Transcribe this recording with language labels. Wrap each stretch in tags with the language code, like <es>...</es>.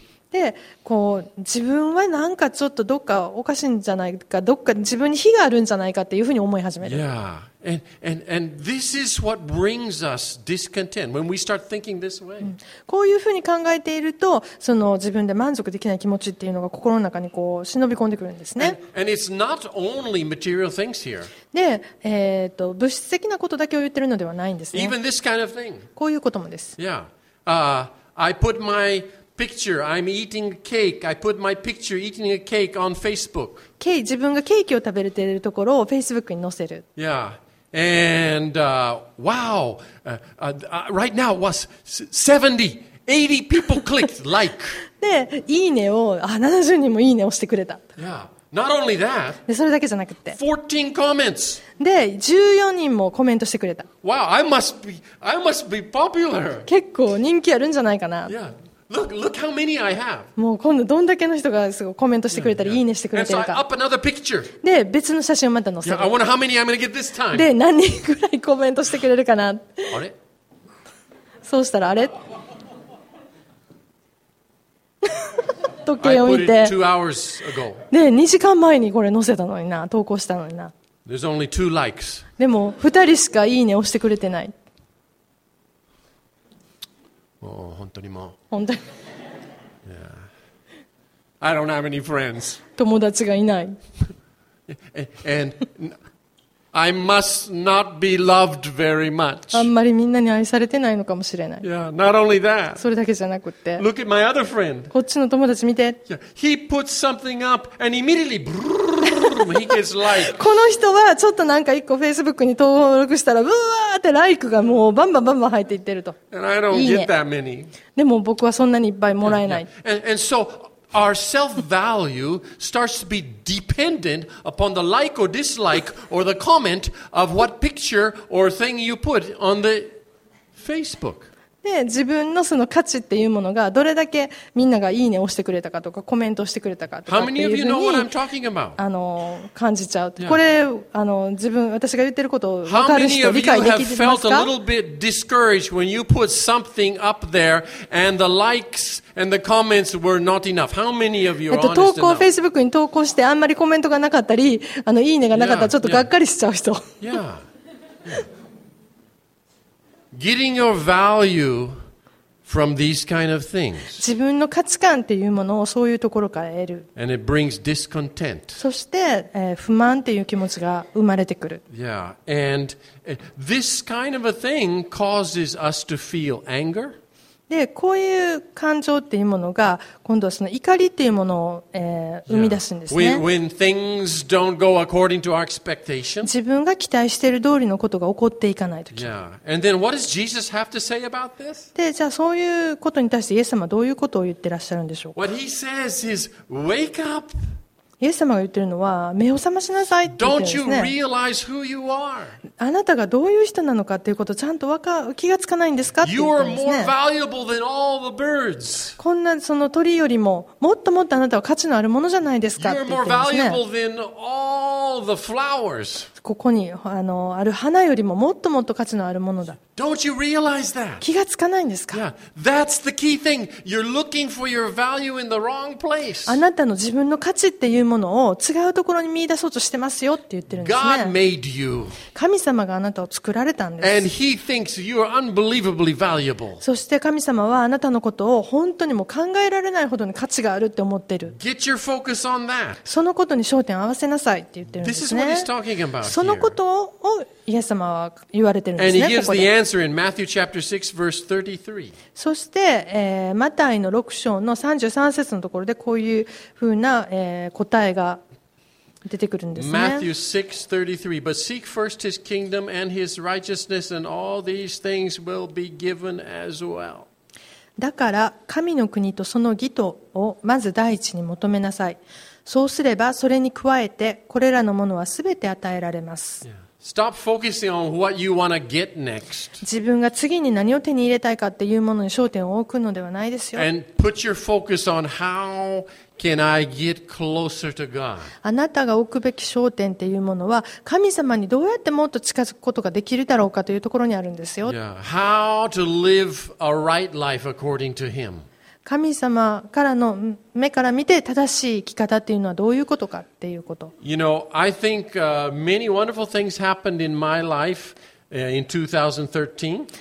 <ja>で、こう自分はなんかちょっとどっかおかしいんじゃないか、どっか自分に非があるんじゃないかっていうふうに思い始める。</ja> <en>Yeah. And this is what brings us discontent when we start thinking this way.</en> <ja>こういうふうに考えていると、その自分で満足できない気持ちっていうのが心の中にこう忍び込んでくるんですね。</ja> <en>And it's not only material things here.</en> <ja>で、物質的なことだけを言ってるのではないんですね。</ja> <en>Even this kind of thing.</en> <ja>こういうこともです。</ja> <en>Yeah. I put my picture. I'm eating cake. I put my picture eating a cake on Facebook.</en> <ja>自分がケーキを食べているところを Facebook に載せる。</ja> <en>Yeah. And, wow. Right now was 70, 80 people clicked like.</en> <ja>で、いいねを、70人もいいねをしてくれた。</ja> <en>Yeah. Not only that.</en> <ja>で、それだけじゃなくて。</ja> <en>14 comments.</en> <ja>で、14人もコメントしてくれた。</ja> <en>Wow. I must be popular.</en> <ja>結構人気あるんじゃないかな。</ja> <en>Yeah. Look how many I have.</en> <ja>もう今度どんだけの人がすごいコメントしてくれたり、いいねしてくれてるか。</ja> <en>And so I up another picture.</en> <ja>で、別の写真をまた載せる。</ja> <en>Yeah, I wonder how many I'm gonna get this time.</en> <ja>で、何人くらいコメントしてくれるかな。あれ？そうしたらあれ？時計を見て。</ja> <en>I put it 2 hours ago.</en> <ja>で、2時間前にこれ載せたのにな、投稿したのにな。</ja> <en>There's only two likes.</en> <ja>でも2人しかいいねをしてくれてない。もう本当にもう本当に、</ja> <en>yeah. I don't have any friends.</en> <ja>友達がいない。</ja> <en>And I must not be loved very much.</en> <ja>あんまりみんなに愛されてないのかもしれない。</ja> <en>Yeah, not only that.</en> <ja>それだけじゃなくて。</ja> <en>Look at my other friend.</en> <ja>こっちの友達見て。</ja> <en>Yeah, he puts something up and immediately brrrr, he gets like.</en> <ja>この人はちょっとなんか一個 Facebook に登録したら、うわーってライクがもうバンバンバンバン入っていってると。</ja> <en>And I don't get that many.</en> <ja>でも僕はそんなにいっぱいもらえない。</ja> <en>Yeah, yeah. And so,Our self-value starts to be dependent upon the like or dislike or the comment of what picture or thing you put on the Facebook.</en> <ja>で、自分のその価値っていうものがどれだけみんながいいねをしてくれたかとかコメントをしてくれたかとかっていうふうに、</ja> <en>How many of you know what I'm talking about?</en> <ja>感じちゃう。</ja> <en>Yeah.</en> <ja>これ自分私が言ってることを分かる人理解できてますか?</ja> <en>How many of you have felt a little bit discouraged when you put something up there and the likes? And the comments were not enough. How many of you are honest enough?</en> <ja>投稿 Facebook に投稿してあんまりコメントがなかったり、いいねがなかったらちょっとがっかりしちゃう人。</ja> <en>Yeah. Getting your value from these kind of things.</en> <ja>自分の価値観っていうものをそういうところから得る。</ja> <en>And it brings discontent.</en> <ja>そして、不満っていう気持ちが生まれてくる。</ja> <en>Yeah. And this kind of a thing causes us to feel anger.</en> <ja>で、こういう感情っていうものが、今度はその怒りっていうものを、生み出すんですね。</ja> <en>Yeah. When things don't go according to our expectation.</en> <ja>自分が期待している通りのことが起こっていかないとき。</ja> <en>Yeah. And then what does Jesus have to say about this?</en> <ja>で、じゃあそういうことに対してイエス様はどういうことを言ってらっしゃるんでしょうか。</ja> <en>What he says is, wake up!</en> <ja>イエス様が言ってるのは、目を覚ましなさいって言ってるんですね。</ja> <en>Don't you realize who you are?</en> <ja>あなたがどういう人なのかっていうことをちゃんと気がつかないんですかって言ってるんですね。</ja> <en>You are more valuable than all the birds.</en> <ja>こんなその鳥よりも、もっともっとあなたは価値のあるものじゃないですかって言ってるんですね。</ja> <en>You are more valuable than all the flowers.</en> <ja>ここにある花よりももっともっと価値のあるものだ。</ja> <en>Don't you realize that?</en> <ja>気がつかないんですか?</ja> <en>Yeah, that's the key thing. You're looking for your value in the wrong place.</en> <ja>あなたの自分の価値っていうものを違うところに見出そうとしてますよって言ってるんですね。</ja> <en>God made you.</en> <ja>神様があなたを作られたんです。</ja> <en>And he thinks you are unbelievably valuable.</en> <ja>そして神様はあなたのことを本当にもう考えられないほどに価値があるって思ってる。</ja> <en>Get your focus on that.</en> <ja>そのことに焦点を合わせなさいって言ってるんですね。</ja> <en>This is what he's talking about here.</en> <ja>そのことをイエス様は言われてるんですね。</ja> <en>And he gives</en> <ja>ここで。</ja> <en>the answer in Matthew chapter 6 verse 33.</en> <ja>そして、マタイの6章の33節のところでこういうふうな、答えが出てくるんですね。</ja> <en>Matthew 6:33 But seek first his kingdom and his righteousness and all these things will be given as well.</en> <ja>だから神の国とその義とをまず第一に求めなさい。そうすればそれに加えてこれらのものはすべて与えられます。</ja> <en>Stop focusing on what you want to get next.</en> <ja>自分が次に何を手に入れたいかっていうものに焦点を置くのではないですよ。</ja> <en>And put your focus on how can I get closer to God.</en> <ja>あなたが置くべき焦点っていうものは神様にどうやってもっと近づくことができるだろうかというところにあるんですよ。</ja> <en>Yeah. How to live a right life according to Him.</en> <ja>神様からの目から見て正しい生き方っていうのはどういうことかっていうこと。</ja> <en>You know, I think many wonderful things happened in my life in 2013.</en>